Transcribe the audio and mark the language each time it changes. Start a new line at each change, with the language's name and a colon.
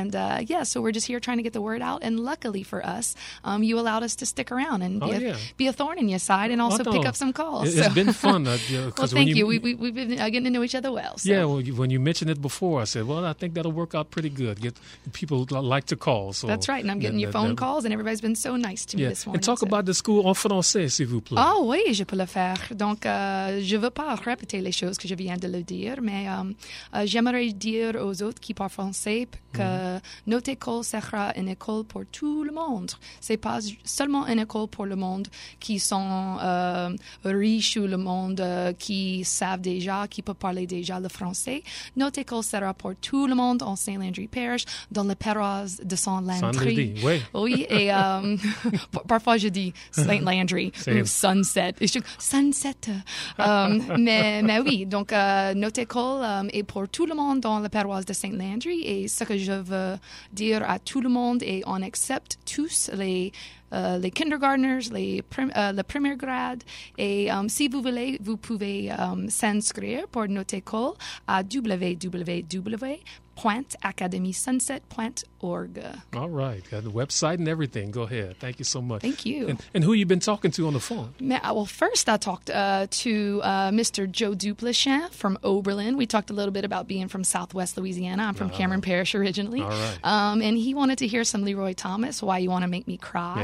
English: And so we're just here trying to get the word out. And luckily for us, you allowed us to stick around and be a thorn in your side and also pick up some calls. It's been fun. We've been getting to know each other well. So. Yeah, when you mentioned it before, I said, I think that'll work out pretty good. People like to call. So that's right, and I'm getting your phone calls, and everybody's been so nice to me this morning. And talk about the school
French: en français, s'il vous plaît. Ah oui, je peux le faire. Donc, je ne veux pas répéter les choses que je viens de le dire, mais j'aimerais dire aux autres qui parlent français que notre école sera une école pour tout le monde. Ce n'est pas seulement une école pour le monde qui sont riches ou le monde qui savent déjà, qui peut parler déjà le français. Notre école sera pour tout le monde en Saint-Landry Parish, dans le paroisse de Saint-Landry. Saint-Landry, oui. Et parfois je dis Saint-Landry, Sunset. Sunset. mais oui, donc notre école est pour tout le monde dans le paroisse de Saint-Landry. Et ce que je veux dire à tout le monde, et on accepte tous les kindergartners, le premier grade. Et si vous voulez, vous pouvez s'inscrire pour notre école à www.academysunset.org.
English: All right. Got the website and everything. Go ahead. Thank you so much. Thank you. And who you been talking to on the phone? First I talked to Mr. Joe Duplichin from Oberlin. We talked a little bit about being from Southwest Louisiana. I'm from Cameron Parish originally. All right. And he wanted to hear some Leroy Thomas, Why You Wanna Make Me Cry.